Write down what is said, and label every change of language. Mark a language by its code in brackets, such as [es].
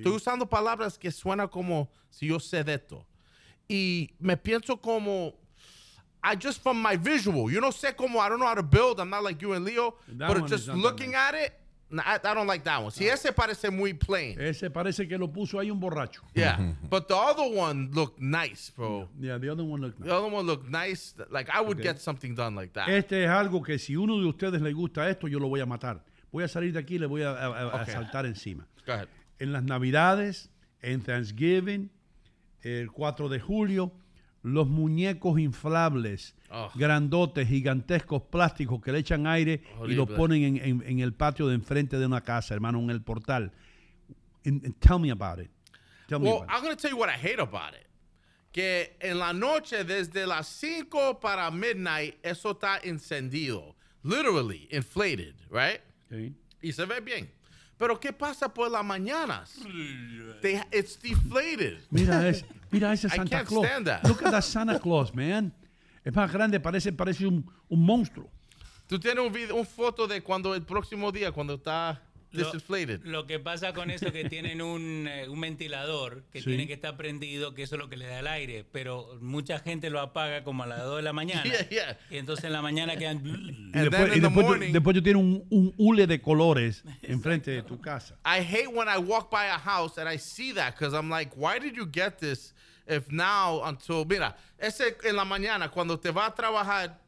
[es] Estoy usando palabras que suenan como si yo sé de esto. Y me pienso como... [en] I just, from my visual, you know, sé como, I don't know how to build. I'm not like you and Leo, that but just looking at it, I don't like that one. [es] Si ese parece muy plain. Ese parece que lo puso ahí un borracho. [en] Yeah, but the other one looked nice, bro. Yeah, the other one looked nice. The other one looked nice. Like, I would get something done like that. [es] Este es algo que si uno de ustedes le gusta esto, yo lo voy a matar. Voy a salir de aquí y le voy a saltar encima. [en] Go ahead. [es] En las Navidades, en Thanksgiving, el 4 de julio, los muñecos inflables, grandotes, gigantescos, plásticos, que le echan aire y los ponen en el patio de enfrente de una casa, hermano, en el portal. [en] Tell me about it. I'm going to tell you what I hate about it. [es] Que en la noche, desde las 5 para midnight, eso está encendido. [en] Literally, inflated, right? Okay. [es] Y se ve bien. Pero ¿qué pasa por las mañanas? It's deflated. Mira ese Santa Claus. [en] I can't stand that. Look at that Santa Claus, man. Es más grande, parece un monstruo. [es] Tú tienes un foto de cuando el próximo día, cuando está deflated. Lo que pasa con eso es que tienen un ventilador que tiene que estar prendido, que eso es lo que le da el aire. Pero mucha gente lo apaga como a las 2 de la mañana. [en] Yeah. [es] Y entonces en la mañana quedan... Y después tú tienes un hule de colores enfrente de tu casa. [en] I hate when I walk by a house and I see that because I'm like, why did you get this if now until... [es] Mira, ese en la mañana cuando te va a trabajar...